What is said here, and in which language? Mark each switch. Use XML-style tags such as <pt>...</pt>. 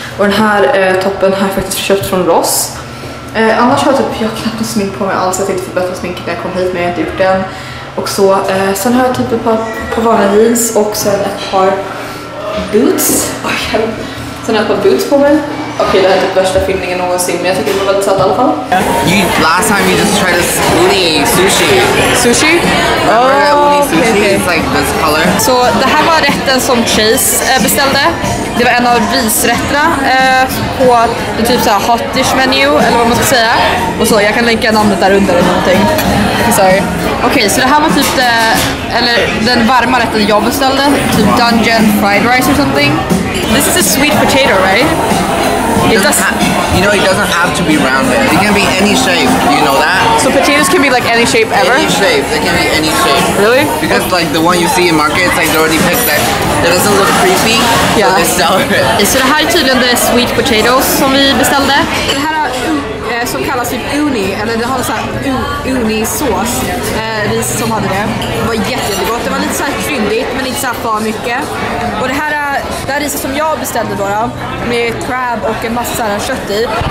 <sv>Och den här toppen har jag faktiskt köpt från Ross. Annars har jag typ, jag har knappt något smink på mig alls, jag tänkte förbättra sminket när jag kom hit men jag har inte gjort den. Och så, sen har jag typ ett par vanliga jeans och sen ett par boots. Oj, sen har jag ett par boots på mig. Okej, det här är typ värsta filmningen någonsin, men jag tycker det var väldigt satt i alla fall.</sv> <en>Last time you just tried a uni sushi. Sushi? Remember, uni sushi is like this color.</en> <sv>Så det här var rätten som Chase beställde. Det var en av risrätterna på en typ såhär hot dish menu, eller vad man ska säga. Och så, jag kan länka namnet där under eller någonting. Okej, så det här var typ det, eller den varma rätten jag beställde.</sv> <en>Typ dungeon fried rice or something. This is a sweet potato, right? You know, it doesn't have to be rounded. It can be any shape, you know that? So potatoes can be like any shape ever? Any shape, they can be any shape. Really? Because like the one you see in markets, like they already picked that. It doesn't look creepy, yeah. So they sell it.</en> <sv>Så det här är tydligen de sweet potatoes som vi beställde. Det här är som kallas typ uni, eller det har en sån här uni-sås. Ris som hade det. Det var jättegott. Det var lite så här kryddigt, men inte så här för mycket. Och det här är det här riset som jag beställde då, med crab och en massa kött i.</sv>